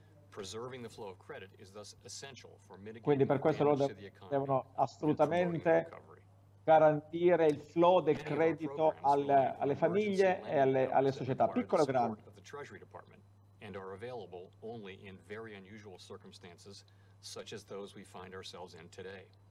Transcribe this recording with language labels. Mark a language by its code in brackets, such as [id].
[en] Preserving the flow of credit is thus essential for mitigating. [it] Quindi per questo loro devono assolutamente garantire il flow del credito alle famiglie e alle società, piccole o grandi. [en] The Treasury Department and are available only in very unusual circumstances such as those we find ourselves in today.